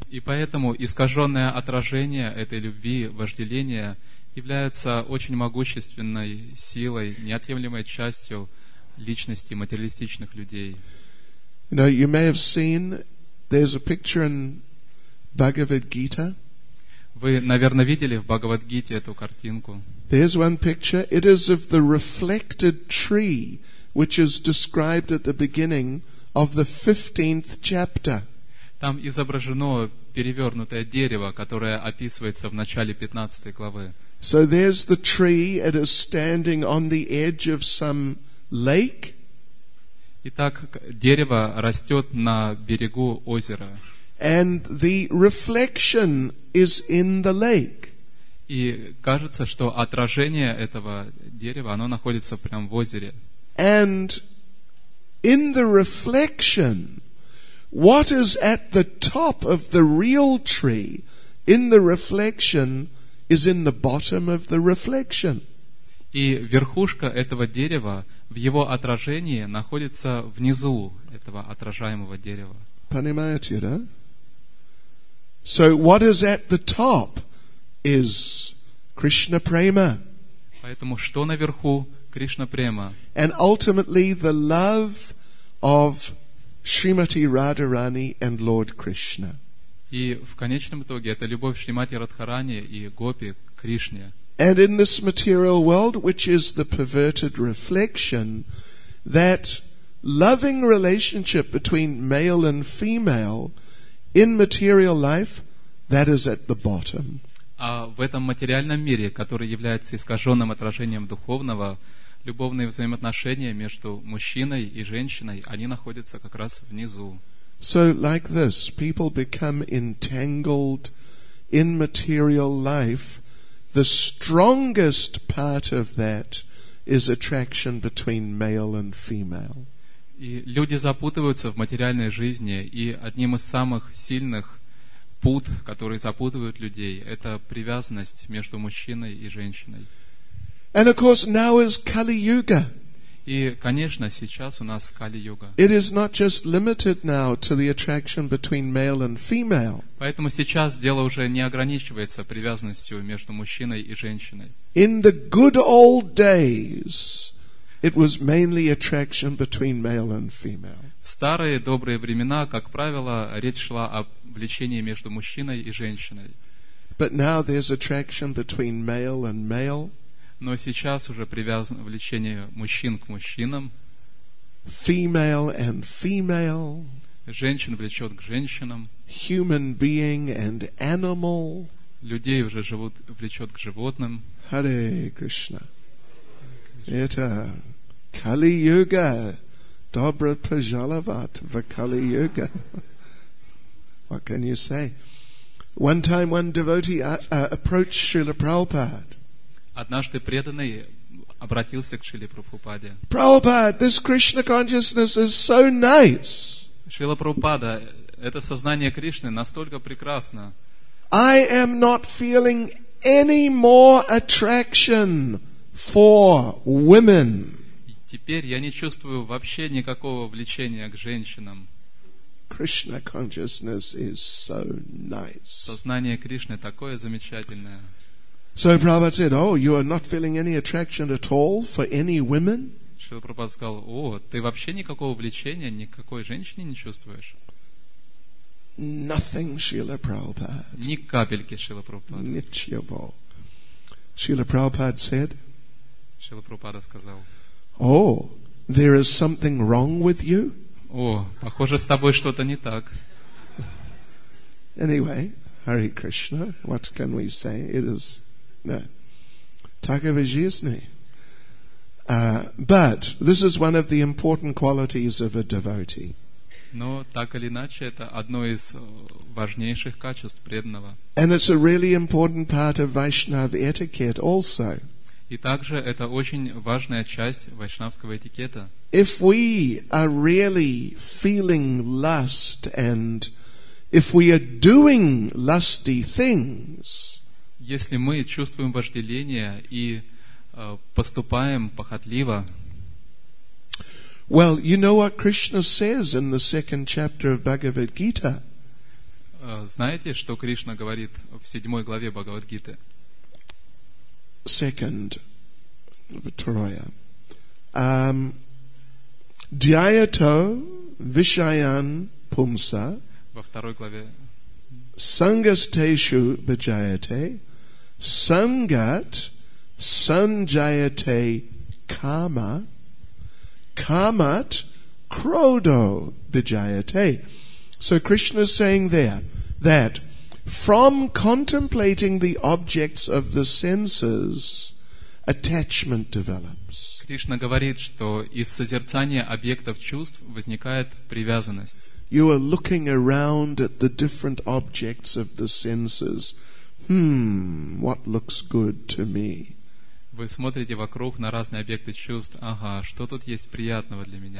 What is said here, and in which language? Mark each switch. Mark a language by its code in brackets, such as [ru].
[ru] И поэтому искаженное отражение этой любви, вожделения, является очень могущественной силой, неотъемлемой частью личности материалистичных людей. [en] You know, you may have seen, there's a picture in Bhagavad Gita. [ru] Вы, наверное, видели в Бхагавад-гите эту картинку. [en] There's one picture. It is of the reflected tree, which is described at the beginning of the 15th chapter. [ru] Там изображено перевернутое дерево, которое описывается в начале 15 главы. [en] So there's the tree. It is standing on the edge of some lake. [ru] Итак, дерево растет на берегу озера. [en] And the reflection is in the lake. [ru] И кажется, что отражение этого дерева, оно находится прямо в озере. [en] And in the reflection, what is at the top of the real tree, in the reflection, is in the bottom of the reflection. [ru] И верхушка этого дерева в его отражении находится внизу этого отражаемого дерева. Понимаете, да? [en] So what is at the top is Krishna prema. [ru] Поэтому что наверху Кришна према. [en] And ultimately the love of Shrimati Radharani and Lord Krishna. [ru] И в конечном итоге это любовь Шримати Радхарани и Гопи Кришне. [en] And in this material world, which is the perverted reflection, that loving relationship between male and female in material life, that is at the bottom. [ru] А в этом материальном мире, который является искаженным отражением духовного, любовные взаимоотношения между мужчиной и женщиной, они находятся как раз внизу. [en] So, like this, people become entangled in material life. The strongest part of that is attraction between male and female. [ru] И люди запутываются в материальной жизни, и одним из самых сильных пут, которые запутывают людей, это привязанность между мужчиной и женщиной. [en] And of course, now is Kali Yuga. [ru] И, конечно, сейчас у нас Кали-юга. [en] It is not just limited now to the attraction between male and female. [ru] Поэтому сейчас дело уже не ограничивается привязанностью между мужчиной и женщиной. [en] In the good old days, it was mainly attraction between male and female. [ru] В старые добрые времена, как правило, речь шла о влечении между мужчиной и женщиной. [en] But now there's attraction between male and male. [ru] Но сейчас уже привязано влечение мужчин к мужчинам. [en] Female and female. [ru] Женщин влечет к женщинам. [en] Human being and animal. [ru] Людей уже живут, влечет к животным. Hare Krishna. Это Кали-юга. Добро пожаловать в Кали-юга. [en] What can you say? One time one devotee approached Srila Prabhupada. [ru] Однажды преданный обратился к Шриле Прабхупаде. [en] Prabhupada, this Krishna consciousness is so nice. [ru] Шрила Прабхупада, это сознание Кришны настолько прекрасно. [en] I am not feeling any more attraction for women. [ru] Теперь я не чувствую вообще никакого влечения к женщинам. [en] Krishna consciousness is so nice. [ru] Сознание Кришны такое замечательное. [en] So Prabhupada said, "Oh, you are not feeling any attraction at all for any women?" [ru] Шрила Прабхупада сказал, "О, ты вообще никакого влечения никакой женщине не чувствуешь?" [en] Nothing, Шрила Прабхупада. [ru] Ни капельки, Шрила Прабхупада. Ничего. [en] Шрила Прабхупада said, [ru] Шрила Прабхупада сказал, [en] "Oh, there is something wrong with you?" [ru] О, похоже, с тобой что-то не так. [en] Anyway, Hare Krishna, what can we say? It is no. [ru] Такова жизнь. [en] But this is one of the important qualities of a devotee. [ru] Но так или иначе, это одно из важнейших качеств преданного. [en] And it's a really important part of Vaishnava etiquette also. [ru] И также это очень важная часть вайшнавского этикета. [en] If we are really feeling lust and if we are doing lusty things, [ru] если мы чувствуем вожделение и поступаем похотливо. [en] Well, you know what Krishna says in the second chapter of Bhagavad Gita. [ru] Знаете, что Кришна говорит в седьмой главе Бхагавад-гиты? [en] Second, [sa] Vatraya. Dhyayato Vishayan Pumsa. [ru] Во второй главе. [sa] Sangasteshu Bhajayate. Sangat Sanjayate Kama. Kamat Krodo Vijayate. [en] So Krishna is saying there that from contemplating the objects of the senses, attachment develops. [ru] Кришна говорит, что из созерцания объектов чувств возникает привязанность. [en] You are looking around at the different objects of the senses. What looks good to me? [ru] Вы смотрите вокруг на разные объекты чувств. Ага, что тут есть приятного для меня?